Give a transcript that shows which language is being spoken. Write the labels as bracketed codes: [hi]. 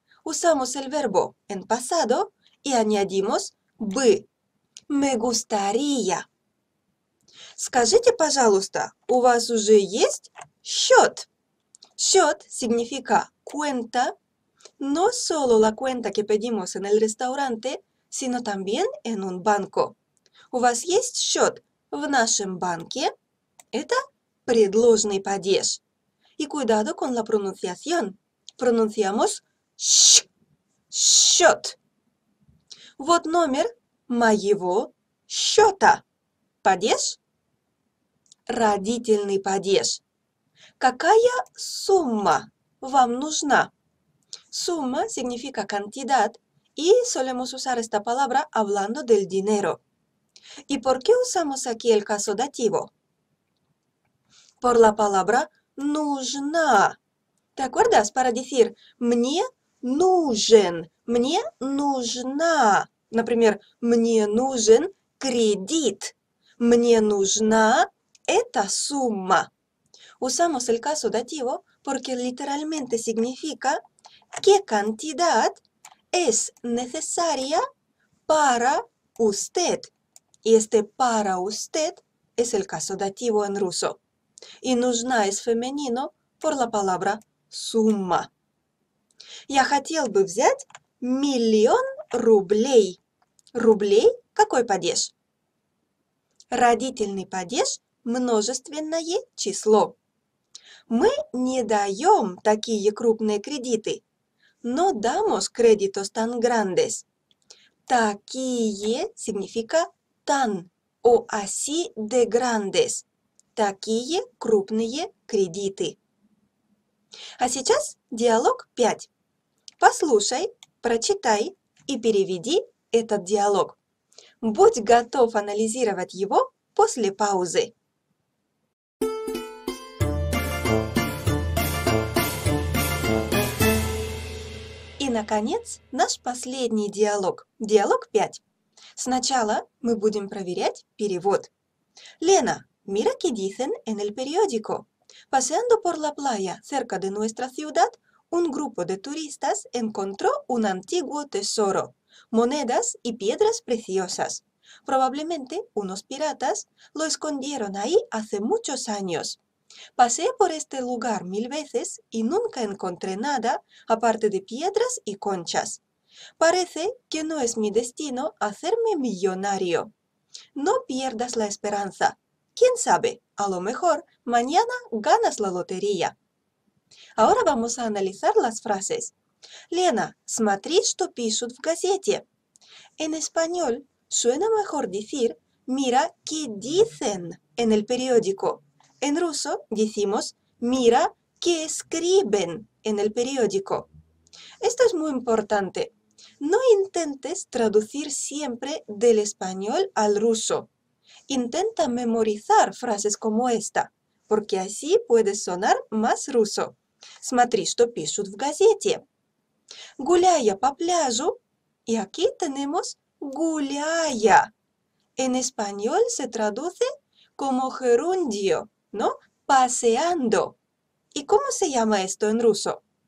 [es] Usamos el verbo en pasado y añadimos бы. Me gustaría. [ru] Скажите, пожалуйста, у вас уже есть счет? [es] Счет significa cuenta. No solo la cuenta que pedimos en el restaurante, sino también en un banco. [ru] У вас есть счет в нашем банке? Это предложный падеж. [es] И cuidado con la pronunciación. Pronunciamos «щ», счет. [ru] Вот номер моего счета. Падеж? Родительный падеж. Какая сумма вам нужна? [es] Сумма significa cantidad y solemos usar esta palabra hablando del dinero. ¿Y por qué usamos aquí el caso dativo? Por la palabra нужна. ¿Te acuerdas? Para decir [ru] мне нужен, мне нужна. Например, мне нужен кредит. Мне нужна эта сумма. [es] Usamos el caso dativo porque literalmente significa ¿Qué cantidad es necesaria para usted? Y este para usted es el caso dativo en ruso. Y нужна es femenino por la palabra сумма. [ru] Я хотел бы взять миллион рублей. Рублей какой падеж? Родительный падеж множественное число. Мы не даем такие крупные кредиты. [es] No damos créditos tan grandes. Такие significa tan o así de grandes. [ru] Такие крупные кредиты. А сейчас диалог 5. Послушай, прочитай и переведи этот диалог. Будь готов анализировать его после паузы. И, наконец, наш последний диалог. Диалог 5. Сначала мы будем проверять перевод. [es] Лена, mira que dicen en el periódico. Paseando por la playa cerca de nuestra ciudad, un grupo de turistas encontró un antiguo tesoro, monedas y piedras preciosas. Probablemente unos piratas lo escondieron ahí hace muchos años. Pasé por este lugar mil veces y nunca encontré nada aparte de piedras y conchas. Parece que no es mi destino hacerme millonario. No pierdas la esperanza. ¿Quién sabe? A lo mejor mañana ganas la lotería. Ahora vamos a analizar las frases. [ru] Lena, смотри, что пишут в газете. [es] En español suena mejor decir «Mira qué dicen» en el periódico. En ruso decimos «Mira qué escriben» en el periódico. Esto es muy importante. No intentes traducir siempre del español al ruso. Intenta memorizar frases como esta, porque así puedes sonar más ruso. [ru] Смотри, что пишут в газете. «Гуляя по пляжу» [es] y aquí tenemos [ru] «гуляя». [es] En español se traduce como «gerundio». ¿No? Paseando. ¿Y cómo se llama esto en ruso?